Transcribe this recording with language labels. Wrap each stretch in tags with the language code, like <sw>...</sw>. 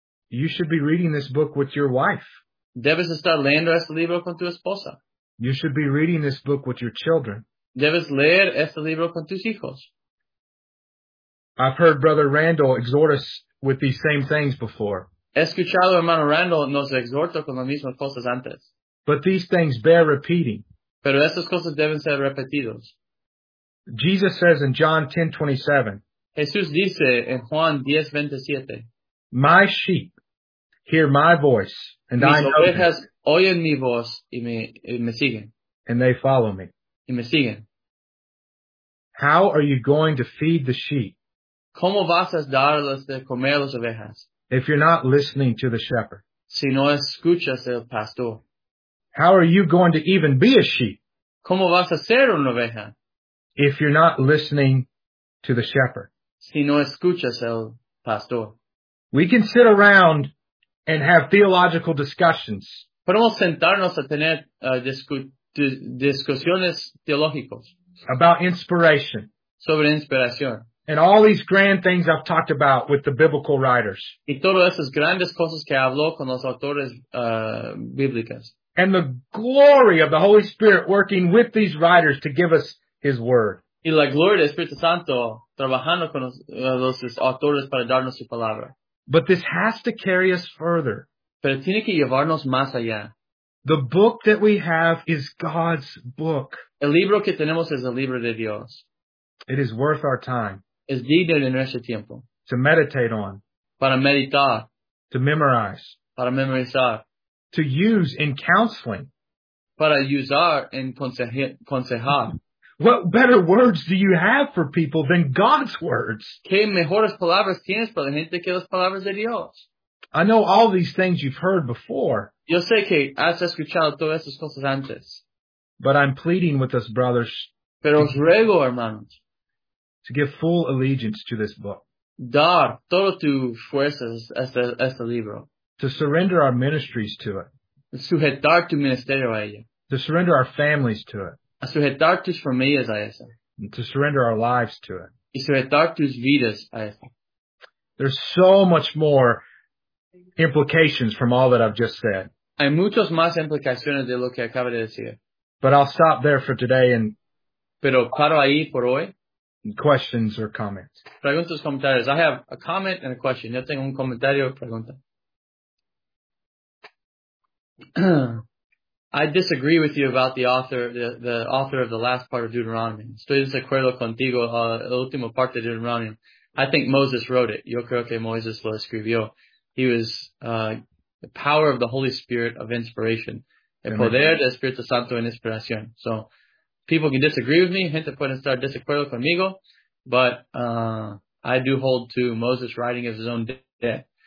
<en>You should be reading this book with your wife.</en> <es>Debes estar leyendo este libro con tu esposa.</es> <en>You should be reading this book with your children.</en> <es>Debes leer este libro con tus hijos.</es> <en>I've heard Brother Randall exhort us with these same things before.</en> <es>He escuchado a hermano Randall nos exhorta con las mismas cosas antes.</es> <en>But these things bear repeating.</en> <es>Pero estas cosas deben ser repetidos.</es> <en>Jesus says in John 10:27.</en> <es>Jesús dice en Juan 10:27.</es> <en>My sheep hear my voice, and I know them.</en> <es>Mis ovejas oyen mi voz y me siguen.</es> <en>And they follow me.</en> <es>Y me siguen.</es> <en>How are you going to feed the sheep?</en> <es>¿Cómo vas a darles de comer las ovejas?</es> <en>If you're not listening to the shepherd.</en> <es>Si no escuchas el pastor.</es> <en>How are you going to even be a sheep?</en> <es>¿Cómo vas a ser una oveja?</es> <en>If you're not listening to the shepherd.</en> <es>Si no escuchas el pastor.</es> <en>We can sit around and have theological discussions.</en> <es>Podemos sentarnos a tener discusiones teológicas.</es> <en>About inspiration.</en> <es>Sobre inspiración.</es> <en>And all these grand things I've talked about with the biblical writers.</en> <es>Y todas esas grandes cosas que habló con los autores bíblicos.</es> <en>And the glory of the Holy Spirit working with these writers to give us his word.</en> <es>Y la gloria del Espíritu Santo trabajando con los autores para darnos su palabra.</es> <en>But this has to carry us further.</en> <es>Pero tiene que llevarnos más allá.</es> <en>The book that we have is God's book.</en> <es>El libro que tenemos es el libro de Dios.</es> <en>It is worth our time.</en> <es>Es digno de nuestro tiempo.</es> <en>To meditate on.</en> <es>Para meditar.</es> <en>To memorize.</en> <es>Para memorizar.</es> <en>To use in counseling.</en> <es>Para usar en consejar.</es> <en>What better words do you have for people than God's words?</en> <es>¿Qué mejores palabras tienes para la gente que las palabras de Dios?</es> <en>I know all these things you've heard before.</en> <es>Yo sé que has escuchado todas estas cosas antes.</es> <en>But I'm pleading with us, brothers.</en> <es>Pero os ruego, hermanos.</es> <en>To give full allegiance to this book.</en> <es>Dar todo tu fuerzas a este libro.</es> <en>To surrender our ministries to it.</en> <es>Sujetar tu ministerio a ella.</es> <en>To surrender our families to it.</en> <es>Sujetar tus familias a esa.</es> <en>And to surrender our lives to it.</en> <es>Y sujetar tus vidas a esa.</es> <en>There's so much more implications from all that I've just said.</en> <es>Hay muchas más implicaciones de lo que acabo de decir.</es> <en>But I'll stop there for today and.</en> <es>Pero paro ahí por hoy.</es> <en>Questions or comments.</en> <es>Preguntas, comentarios.</es> <en>I have a comment and a question.</en> <es>Yo tengo un comentario o pregunta.</es> <en>I disagree with you about the author of the last part of Deuteronomy.</en> <es>Estoy desacuerdo contigo la última parte de Deuteronomy.</es> <en>I think Moses wrote it.</en> <es>Yo creo que Moisés lo escribió.</es> <en>He was the power of the Holy Spirit of inspiration.</en> <es>El poder del Espíritu Santo en inspiración.</es> <en>So people can disagree with me.</en> <es>Gente puede estar desacuerdo conmigo.</es> <en>But I do hold to Moses writing as his own death.</en>